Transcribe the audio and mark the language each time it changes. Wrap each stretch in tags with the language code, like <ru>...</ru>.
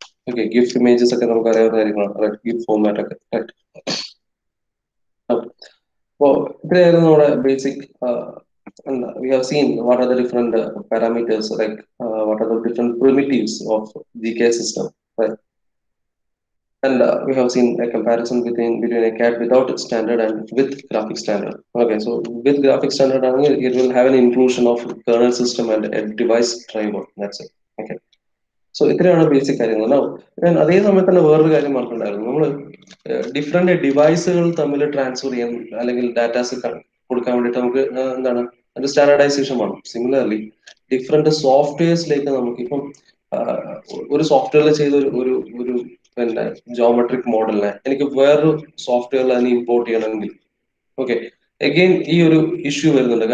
<ml>Okay, gift images ഒക്കെ നമുക്ക് അറിയാവുന്ന കാര്യങ്ങളാണ്, റൈറ്റ്? ഗിഫ്റ്റ് ഫോർമാറ്റ് ഒക്കെ, റൈറ്റ്? അപ്പോ ഇത്രയായിരുന്നു നമ്മുടെ basic.</ml> <en>We have seen what are the different parameters, like what are the different primitives of G K system, right? And we have seen a comparison between a CAD without its standard and with graphic standard. Okay, so with graphic standard, it will have an inclusion of kernel system and a device driver. That's it. Okay.</en> <ml>So, ഇത്രയാണ് basic കാര്യങ്ങൾ. No, അതേ സമയത്ത് തന്നെ വേറൊരു കാര്യം പറഞ്ഞിട്ടുണ്ടായിരുന്നു, നമ്മൾ different ഡിവൈസുകൾ തമ്മിൽ ട്രാൻസ്ഫർ ചെയ്യാൻ അല്ലെങ്കിൽ ഡാറ്റാസ് കൊടുക്കാൻ വേണ്ടിട്ട് നമുക്ക് എന്താണ് അത് സ്റ്റാൻഡേർഡൈസേഷൻ വേണം. സിമിലർലി ഡിഫറെന്റ് സോഫ്റ്റ്വെയർസിലേക്ക് നമുക്ക് ഇപ്പം ഒരു സോഫ്റ്റ്വെയറിൽ ചെയ്ത ഒരു ഒരു പിന്നെ ജോമെട്രിക് മോഡലിനെ എനിക്ക് വേറൊരു സോഫ്റ്റ്വെയറിൽ അതിന് ഇമ്പോർട്ട് ചെയ്യണമെങ്കിൽ, ഓക്കെ, അഗെയിൻ ഈ ഒരു ഇഷ്യൂ വരുന്നുണ്ട്.</ml>